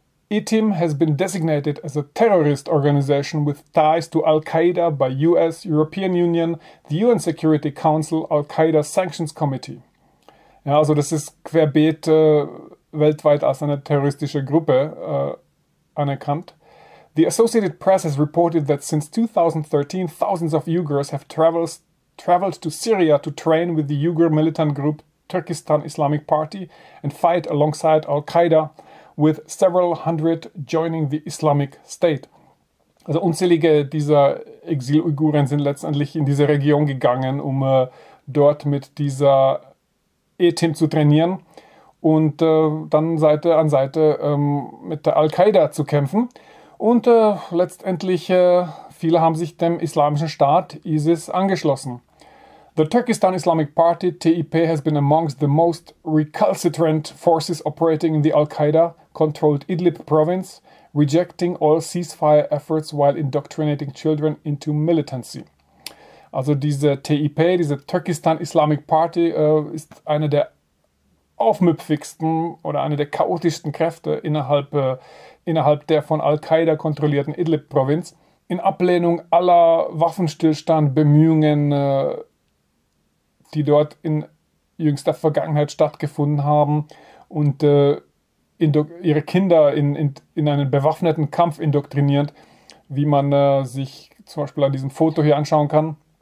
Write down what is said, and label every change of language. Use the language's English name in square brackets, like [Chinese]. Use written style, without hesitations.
[English] ETIM has been designated as a terrorist organization with ties to Al-Qaeda by US, European Union, the UN Security Council, Al-Qaeda Sanctions Committee. [German] Ja, also das ist querbeet weltweit als eine terroristische Gruppe anerkannt. [English] The Associated Press has reported that since 2013, thousands of Uyghurs have traveled to Syria to train with the Uyghur militant group Turkestan Islamic Party and fight alongside Al-Qaeda, with several hundred joining the Islamic State. [German] Also unzählige dieser Exil-Uiguren sind letztendlich in diese Region gegangen, um dort mit dieser ETIM zu trainieren und dann Seite an Seite mit der Al-Qaida zu kämpfen. Und letztendlich viele haben sich dem Islamischen Staat ISIS angeschlossen. [English] The Turkestan Islamic Party, TIP, has been amongst the most recalcitrant forces operating in the Al-Qaeda-controlled Idlib province, rejecting all ceasefire efforts while indoctrinating children into militancy. [German] Also diese TIP, diese Turkestan Islamic Party, ist eine der aufmüpfigsten oder eine der chaotischsten Kräfte innerhalb der von Al-Qaeda kontrollierten Idlib-Provinz. In Ablehnung aller Waffenstillstand-Bemühungen, die dort in jüngster Vergangenheit stattgefunden haben und ihre Kinder in einen bewaffneten Kampf indoktriniert, wie man sich zum Beispiel an diesem Foto hier anschauen kann.